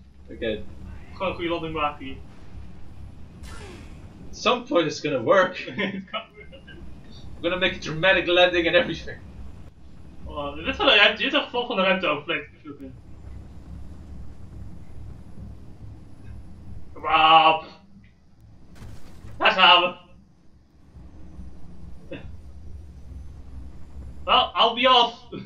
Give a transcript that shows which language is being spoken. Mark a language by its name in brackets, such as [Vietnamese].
[Dutch] Gewoon een goede landing maken hier. [English] Some point is gonna work. We're gonna make a dramatic landing and everything. [Dutch] Oh, dit is wel een ruimte. Dit is een volgende ruimte overvlekt. [English] Come on. [Dutch] Daar gaan we. [English] Well, I'll be off.